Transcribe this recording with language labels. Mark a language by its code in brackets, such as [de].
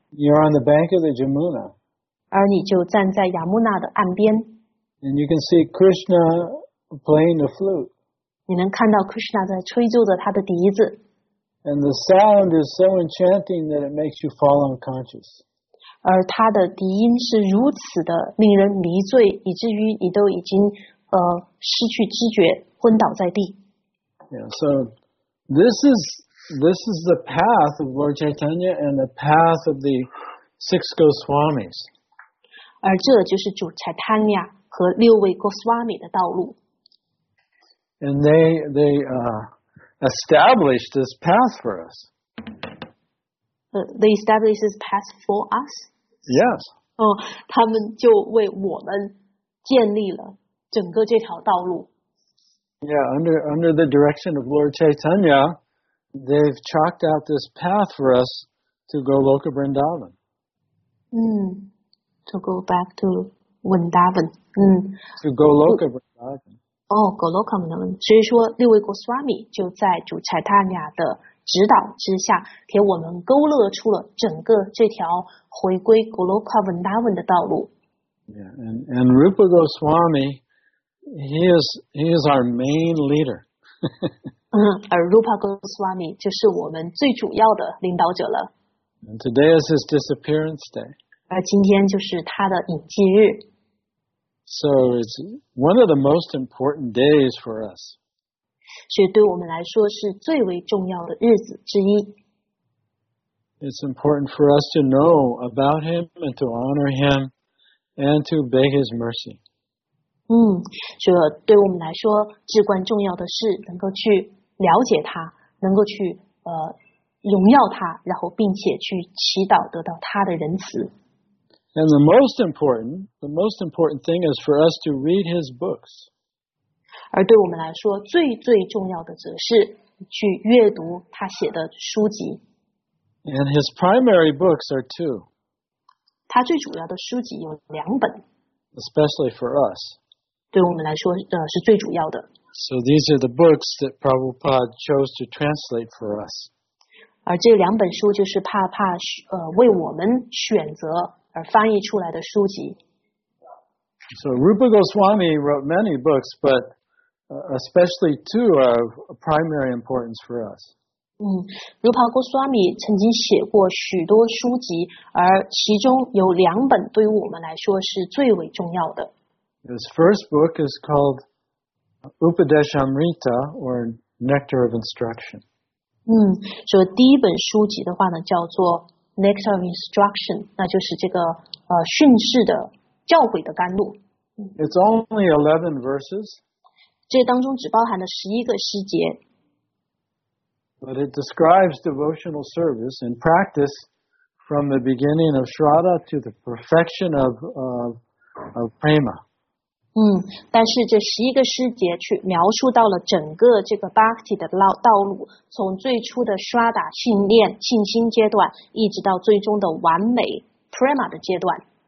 [en] You're on the bank of the Yamuna. [zh] 而你就站在 Yamuna 的岸边。 [en] And you can see Krishna playing the flute. [zh] 你能看到 Krishna 在吹奏着他的笛子。 [en] And the sound is so enchanting that it makes you fall unconscious. [zh] 而他的笛音是如此的令人迷醉，以至于你都已经失去知觉，昏倒在地。 [en] Yeah, so this is the path of Lord Chaitanya and the path of the six Goswamis. [zh] 而这就是主 Chaitanya 和六位 Goswami 的道路。 [en] And they established this path for us. They established this path for us? Yes. [zh] 他们就为我们建立了整个这条道路。 [en] Yeah, under the direction of Lord Chaitanya, they've chalked out this path for us to Goloka Vrindavan. To go back to Vrindavan. To Goloka Vrindavan. [zh] Goloka Vrindavan. 所以说六位 Goswami 就在主 Chaitanya 的指导之下给我们勾勒出了整个这条回归 Goloka Vrindavan 的道路。 [en] Yeah, and Rupa Goswami, he is our main leader. [zh] 而 Rupa Goswami 就是我们最主要的领导者了。 [en] And today is his disappearance day. [zh] 而今天就是他的隐迹日。 [en] So it's one of the most important days for us. [zh] 所以对我们来说是最为重要的日子之一。 [en] It's important for us to know about him and to honor him and to beg his mercy. [zh] 所以对我们来说至关重要的是能够去了解他，能够去荣耀他，然后并且去祈祷得到他的仁慈。 [en] And the most important thing is for us to read his books. [zh] 而对我们来说，最最重要的则是去阅读他写的书籍。 [en] And his primary books are two. [zh] 他最主要的书籍有两本。 [en] Especially for us. [zh] 对我们来说，是最主要的。 [en] So these are the books that Prabhupada chose to translate for us. [zh] 而这两本书就是帕为我们选择。而翻译出来的书籍。 [en] So Rupa Goswami wrote many books, but especially two are of primary importance for us. [zh] Rupa Goswami 曾经写过许多书籍，而其中有两本对于我们来说是最为重要的。 [en] His first book is called Upadeshamrita or Nectar of Instruction. [zh] 所以第一本书籍的话呢，叫做 [en] Next of instruction, [zh] 那就是这个训示的教诲的甘露。 [en] It's only 11 verses. [zh] 这当中只包含了11个诗节。 [en] But it describes devotional service and practice from the beginning of Shraddha to the perfection of prema. [zh] 但是这11个诗节去描述到了整个这个 Bhakti 的道路，从最初的 Shraddha 训练信心阶段，一直到最终的完美 Prema 的阶段。